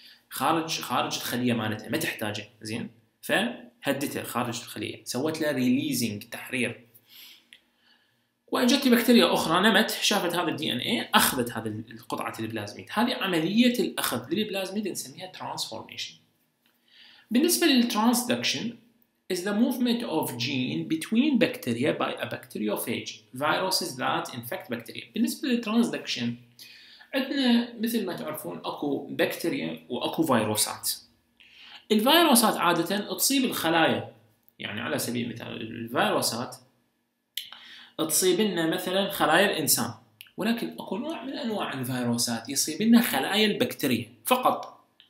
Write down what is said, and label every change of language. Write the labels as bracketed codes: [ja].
[ar] خارج الخليه مالتها ما تحتاجه، زين، فهدته خارج الخليه، سوت له ريليزنج، تحرير، واجت بكتيريا اخرى نمت شافت هذا الدي ان اي، اخذت هذا القطعه البلازميد، هذه عمليه الاخذ للبلازميد نسميها ترانسفورميشن. بالنسبه للترانسدكشن [en] is the movement of gene between bacteria by a bacteriophage viruses that infect bacteria. [ar] بالنسبه للترانسدكشن عندنا مثل ما تعرفون اكو بكتيريا واكو فيروسات. الفيروسات عادة تصيب الخلايا، يعني على سبيل المثال الفيروسات تصيب لنا مثلا خلايا الانسان، ولكن اكو نوع من انواع الفيروسات يصيب لنا خلايا البكتيريا فقط.